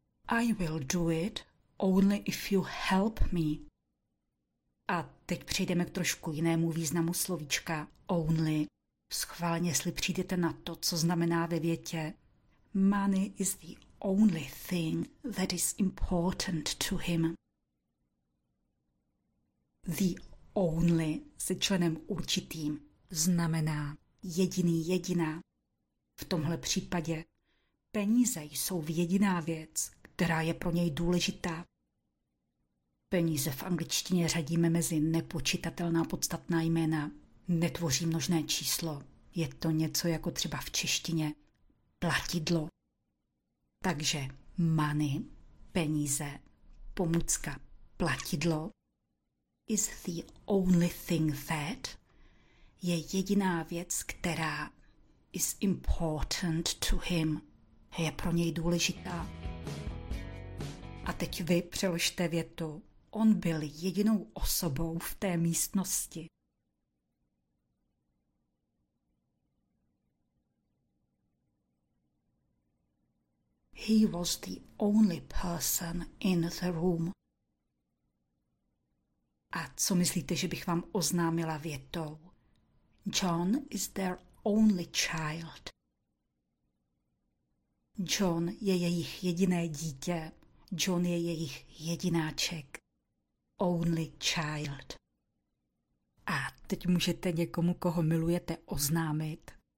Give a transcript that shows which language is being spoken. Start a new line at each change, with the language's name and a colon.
English: I will do it, only if you help me.
Czech: A teď přejdeme k trošku jinému významu slovíčka only. Schválně, jestli přijdete na to, co znamená ve větě.
English: Money is the only thing that is important to him.
Czech: The only se členem určitým znamená jediný, jediná. V tomhle případě peníze jsou jediná věc, která je pro něj důležitá. Peníze v angličtině řadíme mezi nepočitatelná podstatná jména. Netvoří množné číslo. Je to něco jako třeba v češtině platidlo. Takže money, peníze, pomůcka, platidlo
English: is the only thing that
Czech: je jediná věc, která
English: is important to him,
Czech: je pro něj důležitá. A teď vy přeložte větu. On byl jedinou osobou v té místnosti.
English: He was the only person in the room.
Czech: A co myslíte, že bych vám oznámila větou?
English: John is their only child.
Czech: John je jejich jediné dítě. John je jejich jedináček. Only child. A teď můžete někomu, koho milujete, oznámit.